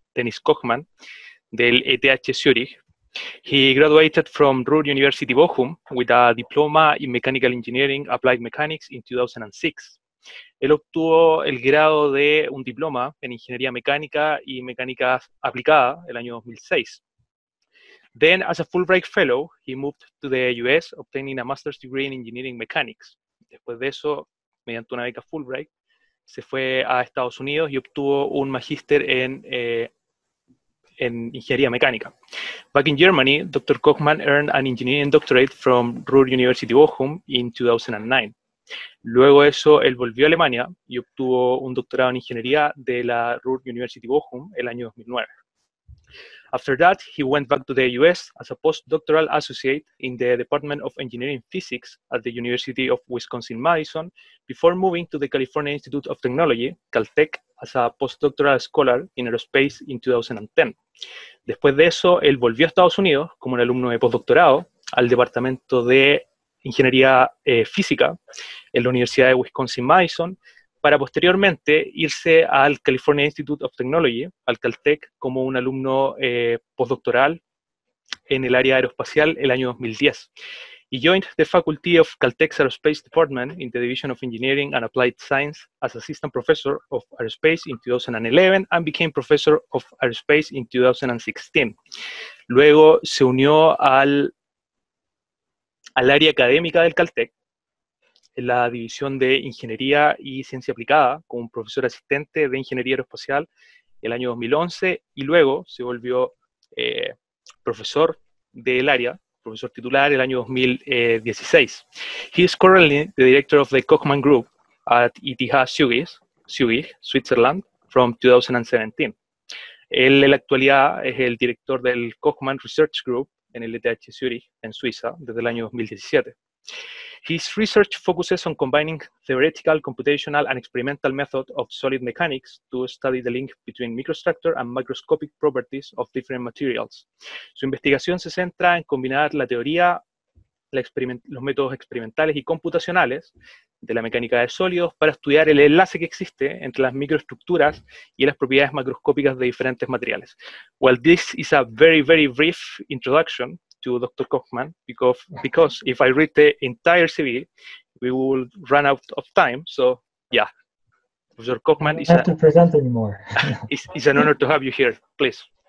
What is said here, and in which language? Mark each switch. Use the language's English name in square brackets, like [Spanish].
[English] Dennis Kochmann del ETH Zurich. He graduated from Ruhr University Bochum with a diploma in mechanical engineering applied mechanics in 2006. [Spanish] Él obtuvo el grado de un diploma en ingeniería mecánica y mecánica aplicada el año 2006. [English] Then, as a Fulbright Fellow, he moved to the U.S., obtaining a master's degree in engineering mechanics. [Spanish] Después de eso, mediante una beca Fulbright, se fue a Estados Unidos y obtuvo un magíster en ingeniería mecánica. [English] Back in Germany, Dr. Kochmann earned an engineering doctorate from Ruhr University Bochum in 2009. [Spanish] Luego de eso, él volvió a Alemania y obtuvo un doctorado en ingeniería de la Ruhr University Bochum el año 2009. [English] After that, he went back to the U.S. as a postdoctoral associate in the Department of Engineering Physics at the University of Wisconsin-Madison before moving to the California Institute of Technology, Caltech, as a postdoctoral scholar in aerospace in 2010. [Spanish] Después de eso, él volvió a Estados Unidos como un alumno de postdoctorado al Departamento de Ingeniería Física en la Universidad de Wisconsin-Madison para posteriormente irse al California Institute of Technology, al Caltech, como un alumno postdoctoral en el área aeroespacial el año 2010. [English] He joined the faculty of Caltech's Aerospace Department in the Division of Engineering and Applied Science as Assistant Professor of Aerospace in 2011 and became Professor of Aerospace in 2016. [Spanish] Luego se unió al área académica del Caltech, en la División de Ingeniería y Ciencia Aplicada, como un profesor asistente de Ingeniería Aeroespacial el año 2011, y luego se volvió profesor del área, profesor titular el año 2016. He is currently the director of the Kochmann Group at ETH Zurich, Switzerland, from 2017. Él en la actualidad es el director del Kochmann Research Group en el ETH Zurich, en Suiza, desde el año 2017. [English] His research focuses on combining theoretical, computational, and experimental methods of solid mechanics to study the link between microstructure and macroscopic properties of different materials. [Spanish] Su investigación se centra en combinar la teoría, los métodos experimentales y computacionales de la mecánica de sólidos para estudiar el enlace que existe entre las microestructuras y las propiedades macroscópicas de diferentes materiales. [English] Well, this is a very, very brief introduction to Dr. Kochmann, because if I read the entire CV, we will run out of time. So, yeah, Professor Kochmann, I don't have to present anymore. It's an honor to have you here, please.